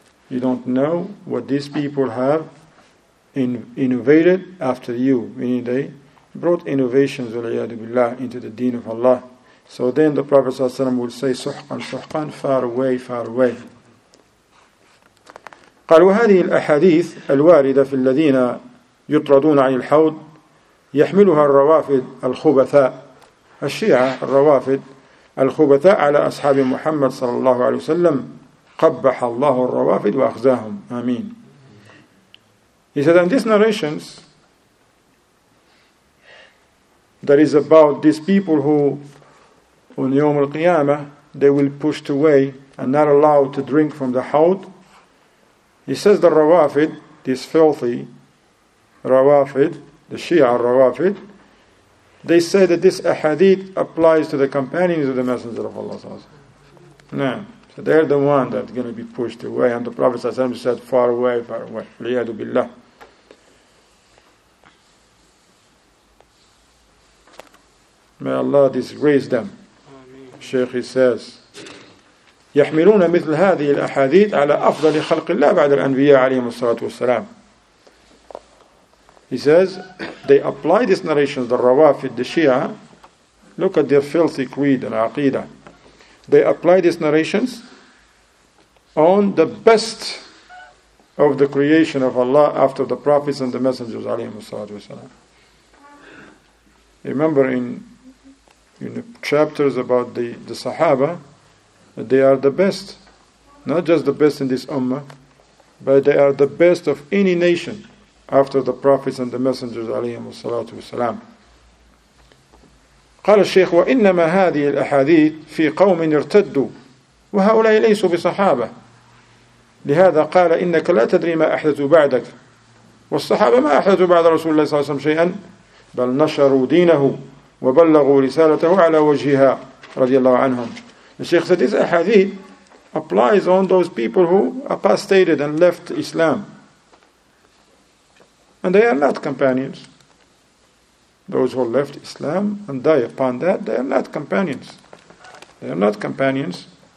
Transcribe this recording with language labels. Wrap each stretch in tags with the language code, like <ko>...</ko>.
<en>You don't know what these people have innovated after you. Meaning they brought innovations, walayyadu billah, into the deen of Allah. So then the Prophet ﷺ will say,</en> <ar>suhqan, suhqan,</ar> <en>far away, far away.</en> <ar>قال وهذه الأحاديث الواردة في الذين يطردون عن الحوض يحملها الروافد الخبثاء الشيعة الروافد الخبثاء على أصحاب محمد صلى الله عليه وسلم قبح الله الروافد وأخزاهم. آمين.</ar> <en>He said, and these narrations that is about these people who on Yawm al-Qiyamah they will pushed away and not allowed to drink from the Hawd. He says the Rawafid, these filthy Rawafid, the Shia al-Rawafid, they say that this ahadith applies to the companions of the Messenger of Allah. No. So they're the one that's going to be pushed away. And the Prophet said, far away, far away. Liyadu billah. May Allah disgrace them. Sheikh, he says,</en> <ar>يحملون مثل هذه الأحاديث على أفضل خلق الله بعد الأنبياء عليهم الصلاة والسلام.</ar> <en>He says, they apply these narrations, the Rawafid, the Shia, look at their filthy creed and aqidah. They apply these narrations on the best of the creation of Allah after the prophets and the messengers,</en> <ar>عليهم الصلاة والسلام.</ar> <en>Remember in the chapters about the Sahaba, they are the best. Not just the best in this ummah, but they are the best of any nation after the prophets and the messengers, alayhim as-salatu wa-salam.</en> <ar>قال الشيخ وإنما هذه الأحاديث في قوم ارتدوا وهؤلاء ليسوا بصحابة لهذا قال إنك لا تدري ما أحدثوا بعدك والصحابة ما أحدثوا بعد رسول الله صلى الله عليه وسلم شيئا بل نشروا دينه وبلغوا رسالته على وجهها رضي الله عنهم.</ar> <en>The Shaykh said, this ahadith applies on those people who apostated and left Islam. And they are not companions. Those who left Islam and die upon that, they are not companions. They are not companions.</en>